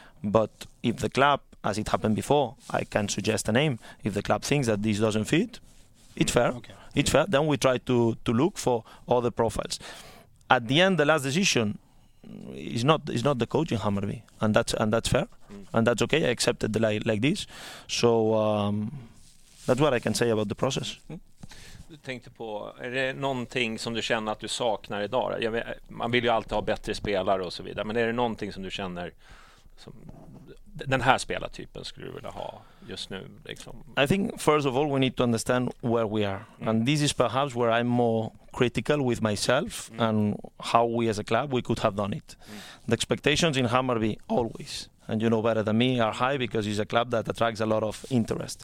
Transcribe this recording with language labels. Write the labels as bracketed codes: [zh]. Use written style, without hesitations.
[en] But if the club, as it happened before, I can suggest a name, if the club thinks that this doesn't fit, it's fair. Okay. It's fair. Then we try to look for other profiles. At the end, the last decision is not the coach in Hammarby, and that's fair, and that's okay. I accepted the like this. So that's what I can say about the process. [sv] Du tänkte på, är det någonting som du känner att du saknar idag? Man vill ju alltid ha bättre spelare och så vidare, men är det någonting som du känner som den här spelartypen skulle du vilja ha just nu? Liksom? [en] I think first of all we need to understand where we are. And this is perhaps where I'm more critical with myself and how we as a club we could have done it. The expectations in Hammarby always, and you know better than me, are high because it's a club that attracts a lot of interest.